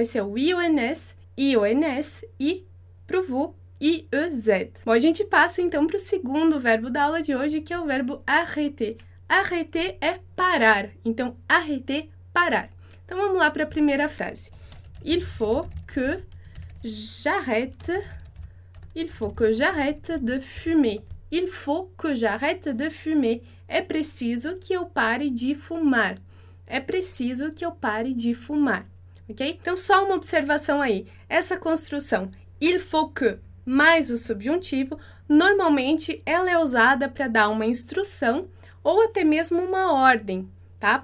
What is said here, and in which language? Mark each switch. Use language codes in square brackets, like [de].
[pt] Vai ser o i, o ns, i, o ns e pro vu e o z. Bom, a gente passa então para o segundo verbo da aula de hoje, que é o verbo arrêter. Arrêter é parar. Então, arrêter, parar. Então, vamos lá para a primeira frase. [fr] Il faut que j'arrête. Il faut que j'arrête de fumer. Il faut que j'arrête de fumer. [pt] É preciso que eu pare de fumar. É preciso que eu pare de fumar. Ok? Então, só uma observação aí. Essa construção, [fr] il faut que, [pt] mais o subjuntivo, normalmente ela é usada para dar uma instrução ou até mesmo uma ordem, tá?